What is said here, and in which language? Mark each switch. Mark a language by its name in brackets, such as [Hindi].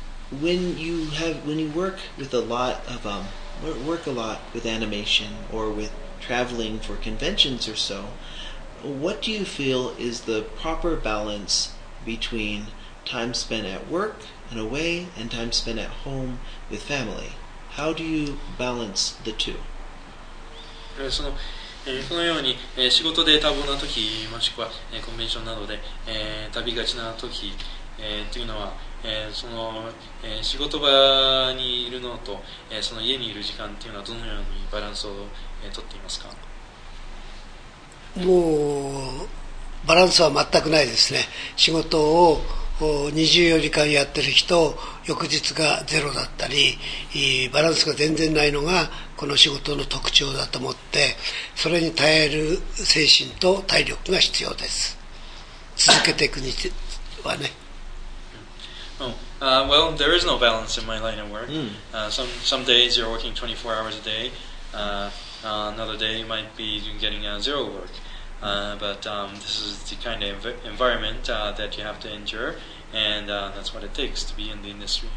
[English] When you work with a lot of work a lot with animation or with traveling for conventions or so, what do you feel is the proper balance between time spent at work and away and time spent at home with family? How do you balance the two? So. [Japanese] このように、仕事で多忙な時もしくは、コンベンションなどで、旅がちな時、というのは、その、仕事場にいるのと、その家にいる時間というのはどのようにバランスを、取っていますか？もうバランスは全くないですね。仕事を24時間やってる日と翌日がゼロだったり、バランスが全然ないのがこの仕事の特徴だと思って、それに耐える精神と体力が必要です。続けていくにはね。 [English] Well, there is no balance in my line of work. Some days you're working 24 hours a day. Another day you might be getting zero work. But this is the kind of environment that you have to endure, and that's what it takes to be in the industry.